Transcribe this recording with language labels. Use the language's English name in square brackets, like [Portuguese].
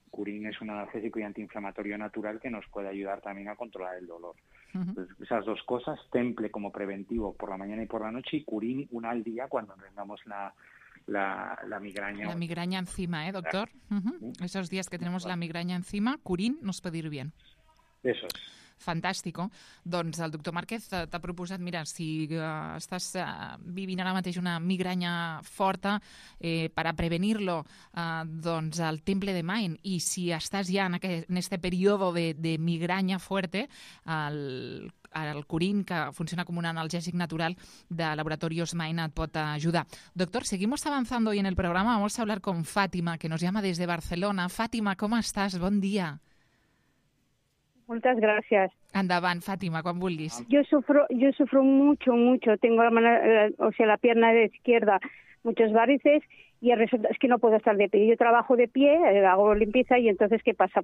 [Spanish] Curin es un analgésico y antiinflamatorio natural que nos puede ayudar también a controlar el dolor. Uh-huh. Esas dos cosas, Temple como preventivo por la mañana y por la noche, y Curin una al día cuando tengamos la migraña. La migraña encima, doctor. Uh-huh. Esos días que tenemos la migraña encima, Curin nos puede ir bien. Eso es. Fantàstico. [Catalan] Doncs el doctor Márquez t'ha proposat, mira, si estàs vivint ara mateix una migranya forta, per a prevenir-lo, doncs el Temple de Mind, i si estàs ja en este període de migranya fuerte, el Curin, que funciona com un analgèsic natural de Laboratorios Mind, et pot ajudar. [Spanish] Doctor, seguimos avanzando hoy en el programa. Vamos a hablar con Fátima, que nos llama desde Barcelona. Fátima, ¿cómo estás? [Catalan] Bon dia. [Spanish] Muchas gracias. Andaban, Fátima, con bullies. Yo sufro mucho, mucho. Tengo la pierna de izquierda, muchos varices, y resulta, es que no puedo estar de pie. Yo trabajo de pie, hago limpieza, y entonces, ¿qué pasa?